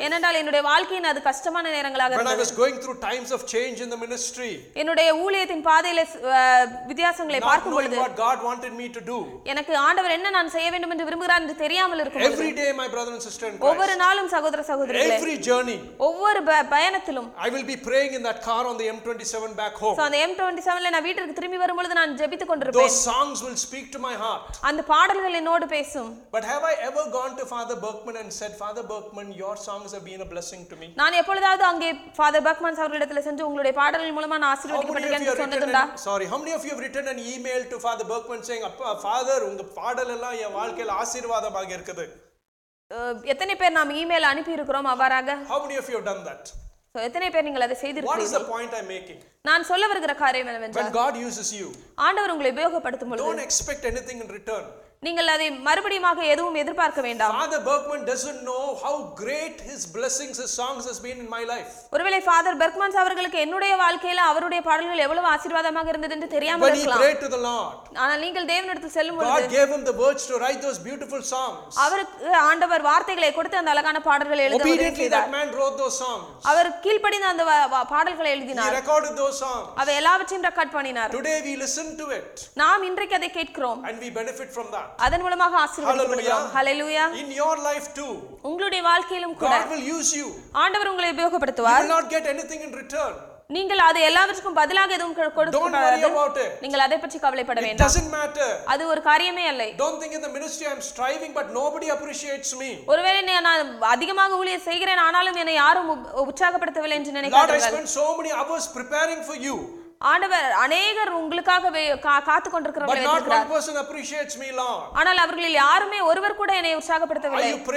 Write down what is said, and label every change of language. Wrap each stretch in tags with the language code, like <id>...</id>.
<ta>ஏனென்றால் என்னுடைய வாழ்க்கையில் அது கஷ்டமான நேரங்களாக இருந்தது.</ta> <en>When I was going through times of change in the ministry.</en> <ta>என்னுடைய ஊழியத்தின் பாதையிலே வித்தியாசங்களை பார்க்கும் பொழுது,</ta> <en>what God wanted me to do.</en> <ta>எனக்கு ஆண்டவர் என்ன நான் செய்ய வேண்டும் என்று விரும்புகிறார் என்று தெரியாமல் இருக்கும் பொழுது,</ta> <en>every day my brother and sister in Christ.</en> <ta>ஒவ்வொரு நாளும் சகோதர சகோதரிகளே,</ta> <en>every journey.</en> <ta>ஒவ்வொரு பயணத்திலும்,</ta> <en>I will be praying in that car on the M27 back home.</en> <ta>So, on the M27 ல நான் வீட்டுக்கு திரும்பி வரும்பொழுது நான் ஜெபித்துக் கொண்டிருப்பேன்.</ta> <en>Those songs will speak to my heart.</en> <ta>அந்த பாடல்கள் என்னோடு பேசும்.</ta> <en>But have I ever gone to Father Berkman and said, Father Berkman, your songs have been a blessing to me?</en> <ta>நான் எப்பொழுதாவது அங்கே Father Berkman அவர்களிடத்தில் சென்று உங்களுடைய பாடல்கள் மூலமா நான் ஆசீர்வதிக்கப்பட்டிருக்கேன் என்று சொன்னதுண்டா?</ta> <en>Sorry, how many of you have written an email to Father Berkman saying,</en> <ta>"அப்பா, Father, உங்க பாடல் எல்லாம் என் வாழ்க்கையில ஆசீர்வாதமாக இருக்குது"? எத்தனை பேர் நாம் இமெயில் அனுப்பி இருக்கிறோம் அவ்வாறாக?</ta> <en>How many of you have done that?</en> <ta>So, எத்தனை பேர் நீங்கள் அதை செய்திருக்கிறீர்கள்?</ta> <en>What is the point I'm making?</en> <ta>நான் சொல்ல வருகிற காரியம் என்னவென்றால்,</ta> <en>When God uses you,</en> <ta>ஆண்டவர் உங்களை உபயோகப்படுத்தும் பொழுது,</ta> <en>Don't expect anything in return.</en> <ta>நீங்கள் அதை மறுபடியுமாக எதுவும் எதிர்பார்க்க வேண்டாம்.</ta> <en>Father Berkman doesn't know how great his blessings, his songs has been in my life.</en> <ta>ஒருவேளை ஃபாதர் பெர்க்மன்ஸ் அவர்களுக்கு என்னுடைய வாழ்க்கையில அவருடைய பாடல்கள் எவ்வளவு ஆசீர்வாதமாக இருந்தது என்று தெரியாமல் இருக்கலாம்.</ta> <en>But he prayed to the Lord.</en> <ta>ஆனால் நீங்கள் தேவனிடத்தில் செல்லும்போது,</ta> <en>God gave him the words to write those beautiful songs.</en> <ta>அவருக்கு ஆண்டவர் வார்த்தைகளை கொடுத்து அந்த அழகான பாடல்களை எழுத உதவி செய்தார்.</ta> <en>Obediently that man wrote those songs.</en> <ta>அவர் கீழ்ப்படிந்து அந்த பாடல்களை எழுதினார்.</ta> <en>He recorded those songs.</en> <ta>அவை எல்லாவற்றையும் ரெக்கார்ட் பண்ணினார்.</ta> <en>Today we listen to it.</en> <ta>நாம் இன்றைக்கு அதை கேட்கிறோம்.</ta> <en>And we benefit from that.</en> <ta>அதன் மூலமாக ஆசீர்வதிக்கப்படுகிறோம்.</ta> <en>ஹல்லேலூயா. In your life too.</en> <ta>உங்களுடைய வாழ்க்கையிலும் கூட.</ta> <en>God will use you.</en> <ta>ஆண்டவர் உங்களை உபயோகப்படுத்துவார்.</ta> <en>You will not get anything in return.</en> <ta>நீங்கள் அது எல்லாவற்றுக்கும் பதிலாக எதுவும் கொடுக்கக்கூடாது. நீங்கள் அதை பற்றி கவலைப்பட வேண்டாம்.</ta> <en>It doesn't matter.</en> <ta>அது ஒரு காரியமே இல்லை.</ta> <en>Don't think in the ministry I'm striving but nobody appreciates me.</en> <ta>ஒருவேளை நான் அதிகமாக ஊழிய செய்கிறேன் ஆனாலும் என்னை யாரும் உற்சாகப்படுத்தவில்லை என்று நினைக்காதீர்கள்.</ta> <en>God has spent so many hours preparing for you.</en> <ta>ஆண்டவர் அநேகர் உங்களுக்காக காத்துக் கொண்டிருக்கிறார்கள். யாருமே ஒருவர் கூட என்னை உற்சாகப்படுத்தவில்லை.</ta>